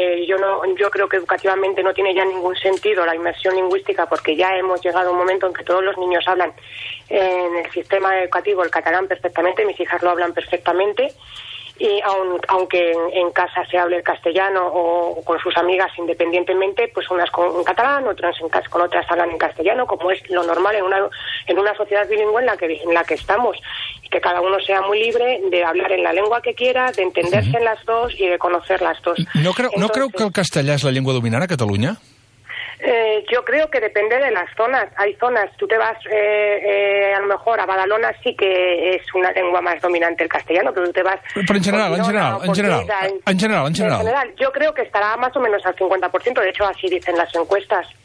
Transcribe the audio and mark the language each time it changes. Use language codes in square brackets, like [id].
[es] Yo creo que educativamente no tiene ya ningún sentido la inmersión lingüística, porque ya hemos llegado a un momento en que todos los niños hablan en el sistema educativo el catalán perfectamente, mis hijas lo hablan perfectamente, y aunque en casa se hable el castellano o con sus amigas independientemente, pues unas con catalán, otras con otras hablan en castellano, como es lo normal en una sociedad bilingüe en la que estamos, y que cada uno sea muy libre de hablar en la lengua que quiera, de entenderse uh-huh. en las dos y de conocer las dos. ¿No creo que [ca] el castellà és la llengua dominant a Catalunya? [es] Yo creo que depende de las zonas. Hay zonas, tú te vas a lo mejor a Badalona, sí que es una lengua más dominante el castellano, pero tú te vas... Pero en general. Yo creo que estará más o menos al 50%, de hecho así dicen las encuestas.